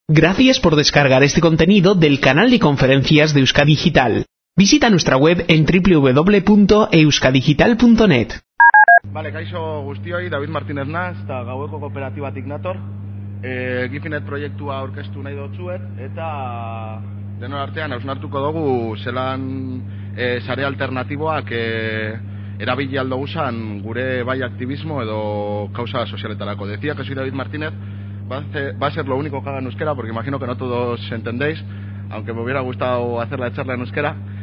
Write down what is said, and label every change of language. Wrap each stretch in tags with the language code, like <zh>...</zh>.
<es>Gracias por descargar este contenido del canal de conferencias de Euska Digital. Visita nuestra web en www.euskadigital.net.</es> <eu>Vale, kaixo guztioi, David Martínez naz, eta gaueko kooperatibatik nator. Gifinet proiektua aurkeztu nahi dotzuet, eta denon artean hausnartuko dugu zelan sare alternatiboak erabili aldugu zan gure bai aktivismo edo kausa sozialetarako.</eu> <es>Decía que soy David Martínez, va a ser lo único que haga en euskera, porque imagino que no todos entendéis, aunque me hubiera gustado hacer la charla en euskera.</es>